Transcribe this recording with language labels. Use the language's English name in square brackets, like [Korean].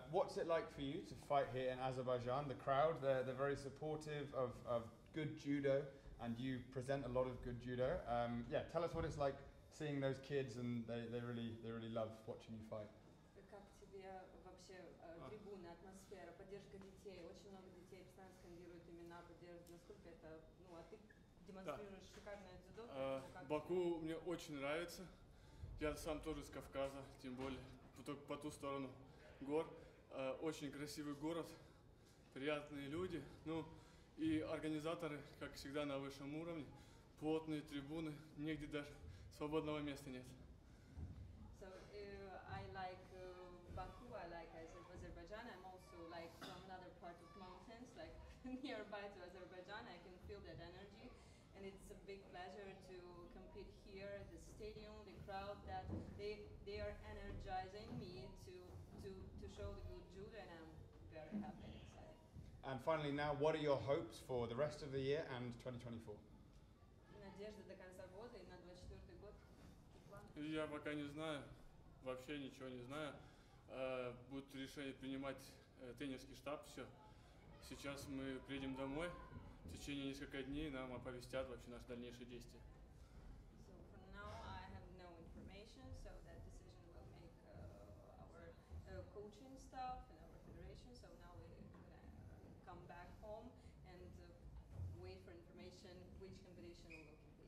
[English] What's it like for you to fight here in Azerbaijan? The crowd, they're very supportive of good judo, and you present a lot of good judo. Yeah, tell us what it's like seeing those kids, and they really love watching you fight. [Russian] Как тебе вообще трибуны, атмосфера, поддержка детей? Очень много детей постоянно скандируют имена, поддерживают. Насколько это, ну, а ты демонстрируешь шикарное дзюдо? Баку мне очень нравится. Я сам тоже с Кавказа, тем более по ту сторону гор. Очень красивый город, приятные люди. Ну, и организаторы, как всегда, на высшем уровне. Плотные трибуны, негде даже свободного места нет. [English] I like Baku, I like Azerbaijan, I'm also like from another part of mountains, like nearby to Azerbaijan, I can feel that energy, and it's a big pleasure to compete here, the stadium, the crowd, that they are energizing me to show the good judo, and I'm very happy inside. And finally now, what are your hopes for the rest of the year and 2024? [Russian] Надежда до конца года и на 24 год. Я пока не знаю, вообще ничего не знаю. Будут решение принимать тренерский штаб, все. Сейчас мы приедем домой, в течение нескольких дней нам оповестят вообще наши дальнейшие действия. [English] So for now I have no information, so that decision will make our coaching staff and our federation. So now we come back home and wait for information which competition will compete.